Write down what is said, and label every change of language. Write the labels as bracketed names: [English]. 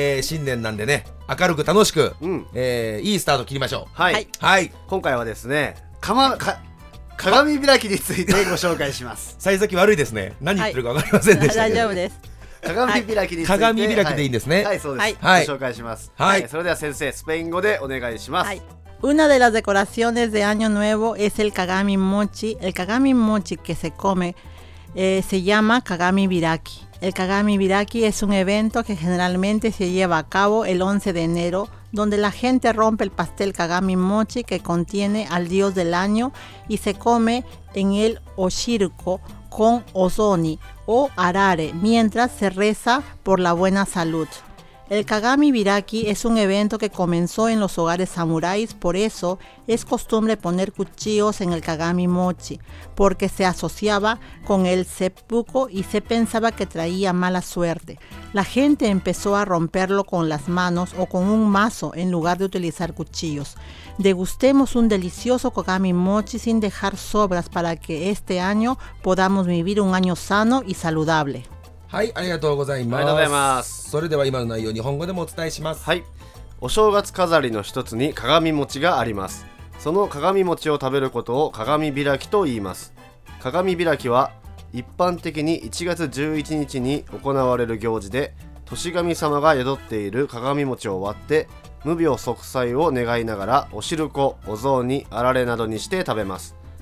[Japanese] 新年なんでね、明るく楽しく、うん、いいスタート切りましょう。はい、はい、今回はですね、鏡開きについてご紹介します。幸先悪いですね。何言ってるか分かりませんでしたけど、はい、大丈夫です。鏡開きについて、はい、鏡開きでいいんですね。はい、はい、そうです、はい、ご紹介します。はい、はい、それでは先生、スペイン語でお願いします。はい、 [Spanish] una de las decoraciones de año nuevo es el kagami mochi. El kagami mochi que se come, se llama kagami biraki. El kagami biraki es un evento que generalmente se lleva a cabo el 11 de enero, donde la gente rompe el pastel kagami mochi que contiene al dios del año y se come en el oshiruko con ozoni o arare mientras se reza por la buena salud. El Kagami Biraki es un evento que comenzó en los hogares samuráis, por eso es costumbre poner cuchillos en el Kagami Mochi, porque se asociaba con el seppuku y se pensaba que traía mala suerte. La gente empezó a romperlo con las manos o con un mazo en lugar de utilizar cuchillos. Degustemos un delicioso Kagami Mochi sin dejar sobras para que este año podamos vivir un año sano y saludable. [Japanese] はい、ありがとうございます。ありがとうございます。それでは今の内容日本語でもお伝えします。はい、お正月飾りの一つに鏡餅があります。その鏡餅を食べることを鏡開きと言います。鏡開きは一般的に1月11日に行われる行事で、年神様が宿っている鏡餅を割って、無病息災を願いながらおしるこ、お雑煮、あられなどにして食べます。